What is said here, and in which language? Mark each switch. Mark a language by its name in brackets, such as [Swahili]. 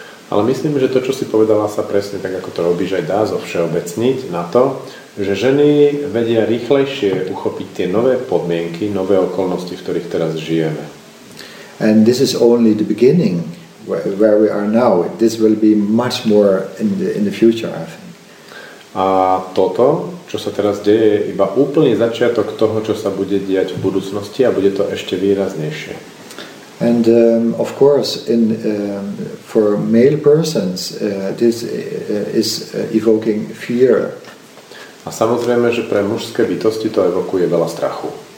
[Slovak] Ale myslím, že to, čo si povedala, sa presne tak, ako to robíš, aj dá zo všeobecniť na to, že ženy vedia rýchlejšie uchopiť tie nové podmienky, nové okolnosti, v ktorých teraz žijeme. [English] And this is only the beginning where we are now. This will be much more in the future, I think. [Slovak] A toto, čo sa teraz deje, je iba úplný začiatok toho, čo sa bude diať v budúcnosti a bude to ešte výraznejšie. [English] And of course in for male persons this is evoking fear. [Slovak] A samozrejme, že pre mužské bytosti to evokuje veľa strachu.